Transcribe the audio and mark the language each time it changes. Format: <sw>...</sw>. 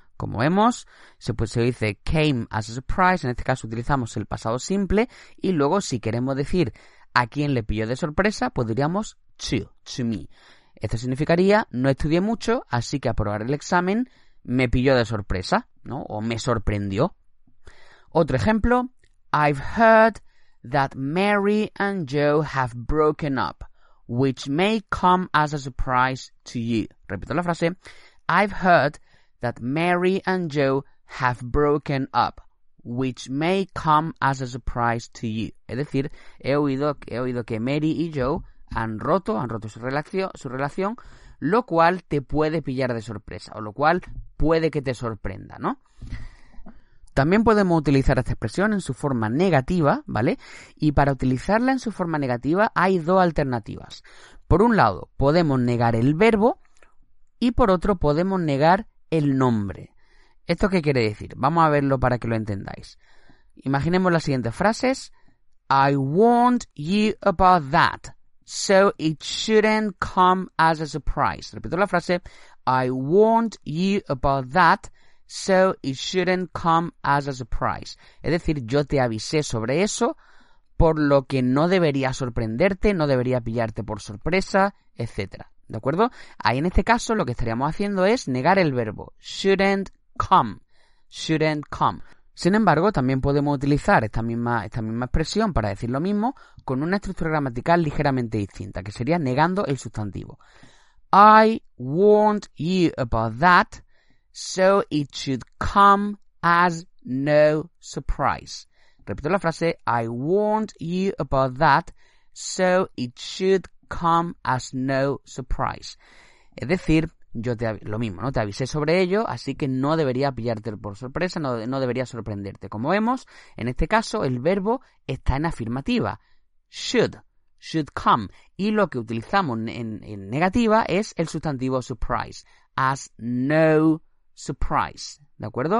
<es>Como vemos, se dice</es> <en>came as a surprise.</en> <es>En este caso utilizamos el pasado simple. Y luego, si queremos decir a quién le pilló de sorpresa, podríamos</es> <en>to me.</en> <es>Esto significaría no estudié mucho, así que aprobar el examen me pilló de sorpresa, ¿no? O me sorprendió. Otro ejemplo,</es> <en>I've heard that Mary and Joe have broken up, which may come as a surprise to you.</en> <es>Repito la frase.</es> <en>I've heard that Mary and Joe have broken up, which may come as a surprise to you.</en> <es>Es decir, he oído que Mary y Joe han roto su relación, lo cual te puede pillar de sorpresa, o lo cual puede que te sorprenda, ¿no? También podemos utilizar esta expresión en su forma negativa, ¿vale? Y para utilizarla en su forma negativa hay dos alternativas. Por un lado, podemos negar el verbo, y por otro, podemos negar el nombre. ¿Esto qué quiere decir? Vamos a verlo para que lo entendáis. Imaginemos las siguientes frases.</es> <en>I warned you about that, so it shouldn't come as a surprise.</en> <es>Repito la frase.</es> <en>I warned you about that, so it shouldn't come as a surprise.</en> <es>Es decir, yo te avisé sobre eso, por lo que no debería sorprenderte, no debería pillarte por sorpresa, etc. ¿De acuerdo? Ahí en este caso lo que estaríamos haciendo es negar el verbo.</es> <en>Shouldn't come. Shouldn't come.</en> <es>Sin embargo, también podemos utilizar esta misma expresión para decir lo mismo con una estructura gramatical ligeramente distinta, que sería negando el sustantivo.</es> <en>I warned you about that, so it should come as no surprise.</en> <es>Repito la frase.</es> <en>I warned you about that, so it should come as no surprise.</en> <es>Es decir, yo te lo mismo, ¿no? Te avisé sobre ello, así que no debería pillarte por sorpresa, no debería sorprenderte. Como vemos, en este caso el verbo está en afirmativa,</es> <en>should come,</en> <es>y lo que utilizamos en negativa es el sustantivo surprise,</es> <en>as no surprise,</en> <es>¿de acuerdo?</es>